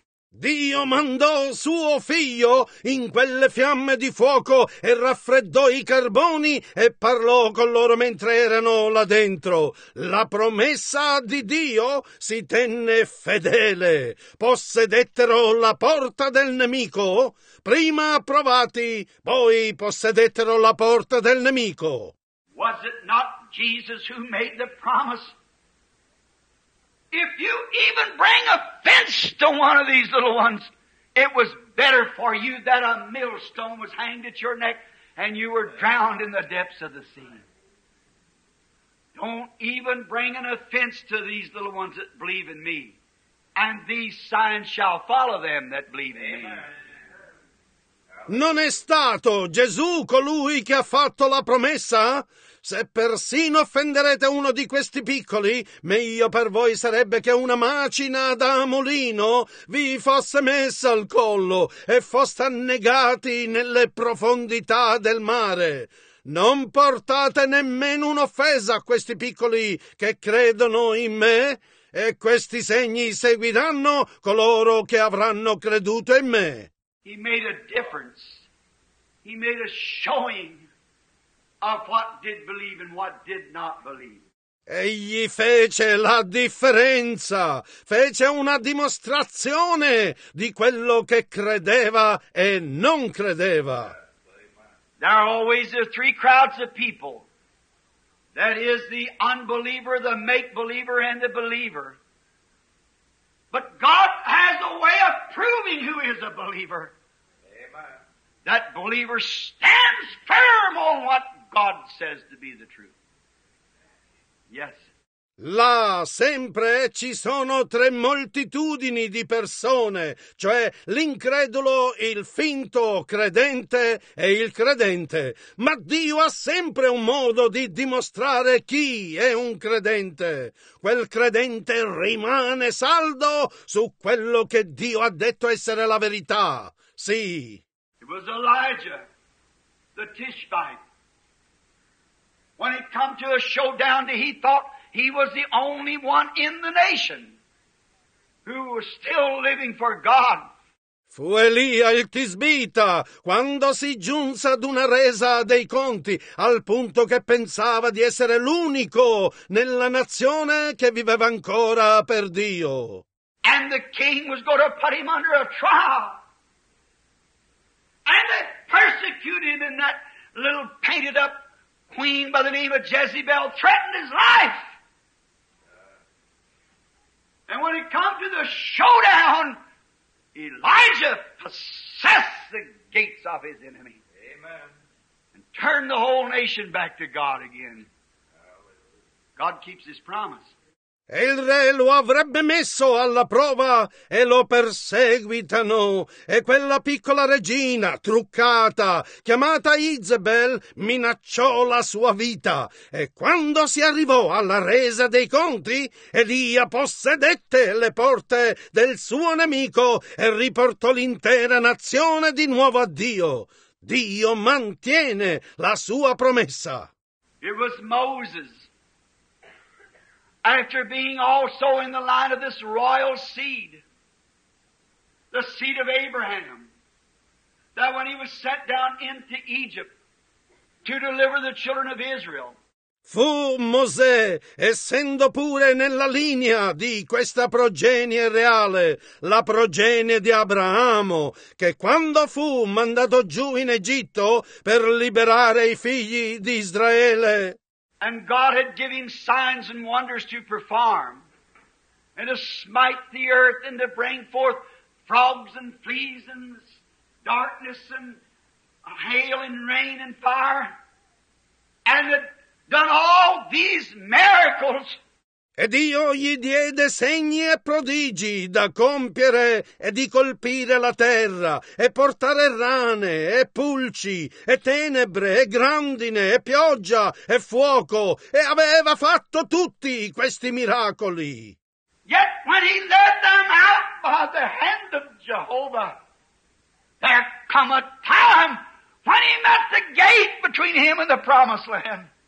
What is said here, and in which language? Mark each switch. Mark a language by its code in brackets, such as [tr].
[it] Dio mandò suo figlio in quelle fiamme di fuoco e raffreddò i carboni e parlò con loro mentre erano là dentro. La promessa di Dio si tenne fedele. Possedettero la porta del nemico. Prima provati, poi possedettero la porta del nemico. [en] Was it not Jesus who made the promise? If you even bring offense to one of these little ones, it was better for you that a millstone was hanged at your neck and you were drowned in the depths of the sea. Don't even bring an offense to these little ones that believe in me. And these signs shall follow them that believe in me. [it] Non è stato Gesù colui che ha fatto la promessa? Se persino offenderete uno di questi piccoli, meglio per voi sarebbe che una macina da mulino vi fosse messa al collo e foste annegati nelle profondità del mare. Non portate nemmeno un'offesa a questi piccoli che credono in me, e questi segni seguiranno coloro che avranno creduto in me. [en] He made a difference. He made a showing of what did believe and what did not believe. [it] Egli fece la differenza, fece una dimostrazione di quello che credeva e non credeva. [en] There are always the three crowds of people. That is the unbeliever, the make-believer, and the believer. But God has a way of proving who is a believer. Amen. That believer stands firm on what God says to be the truth. Yes. [it] Là sempre ci sono tre moltitudini di persone, cioè l'incredulo, il finto credente e il credente. Ma Dio ha sempre un modo di dimostrare chi è un credente. Quel credente rimane saldo su quello che Dio ha detto essere la verità. Sì. [en] It was Elijah, the Tishbite. When it come to a showdown, he thought he was the only one in the nation who was still living for God. [it] Fu Elia il Tisbita, quando si giunse ad una resa dei conti, al punto che pensava di essere l'unico nella nazione che viveva ancora per Dio. [en] And the king was going to put him under a trial. And they persecuted him in that little painted up queen by the name of Jezebel threatened his life. And when it came to the showdown, Elijah possessed the gates of his enemy. Amen. And turned the whole nation back to God again. God keeps his promise. [it] E il re lo avrebbe messo alla prova e lo perseguitano. E quella piccola regina, truccata, chiamata Izebel, minacciò la sua vita. E quando si arrivò alla resa dei conti, Elia possedette le porte del suo nemico e riportò l'intera nazione di nuovo a Dio. Dio mantiene la sua promessa. [en] It was Moses. After being also in the line of this royal seed, the seed of Abraham, that when he was sent down into Egypt to deliver the children of Israel. [it] Fu Mosè, essendo pure nella linea di questa progenie reale, la progenie di Abramo, che quando fu mandato giù in Egitto per liberare i figli di Israele. [en] And God had given signs and wonders to perform, and to smite the earth, and to bring forth frogs and fleas and darkness and hail and rain and fire, and had done all these miracles. [it] Ed io gli diede segni e prodigi da compiere e di colpire la terra e portare rane e pulci e tenebre e grandine e pioggia e fuoco e aveva fatto tutti questi miracoli. [en] Yet when he led them out by the hand of Jehovah, there come a time when he met the gate between him and the promised land.